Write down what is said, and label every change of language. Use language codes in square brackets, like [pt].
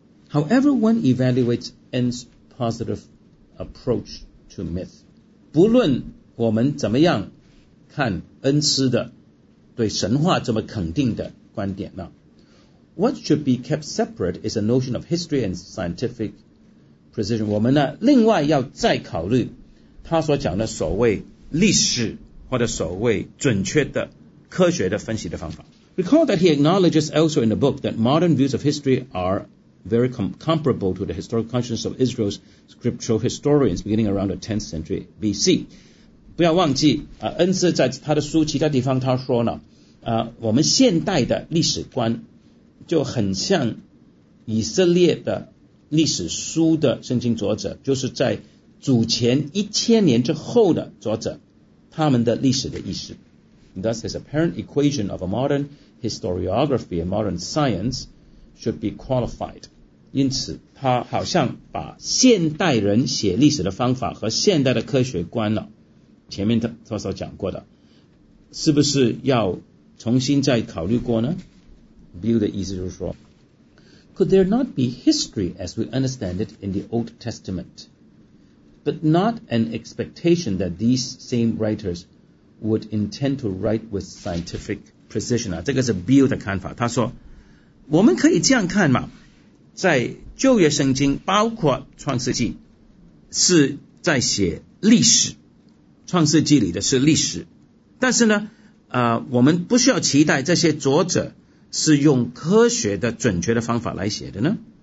[en] However one evaluates N's positive approach to myth， [zh] 不论我们怎么样看恩师的对神话这么肯定的观点呢， [en] What should be kept separate is a notion of history and scientific precision。 [zh] 我们呢另外要再考虑他所讲的所谓历史或者所谓准确的科学的分析的方法。 [en] Recall that he acknowledges also in the book that modern views of history are very comparable to the historical conscience of Israel's scriptural historians beginning around the 10th century BC。 [zh] 不要忘记恩师在他的书其他地方他说呢我们现代的历史观就很像以色列的历史书的圣经作者，就是在主前一千年之后的作者他们的历史的意识。 [en] Thus his apparent equation of a modern historiography and modern science should be qualified， [zh] 因此他好像把现代人写历史的方法和现代的科学观了，前面他所讲过的是不是要重新再考虑过呢？ [en] Bill [zh] 的意思就是说， [en] Could there not be history as we understand it in the Old Testament but not an expectation that these same writers would intend to write with scientific precision？ [zh] 这个是 Bill 的看法，他说我们可以这样看嘛，在旧约圣经包括创世纪是在写历史，创世纪里的是历史，但是呢我们不需要期待这些作者是用科学的准确的方法来写的呢。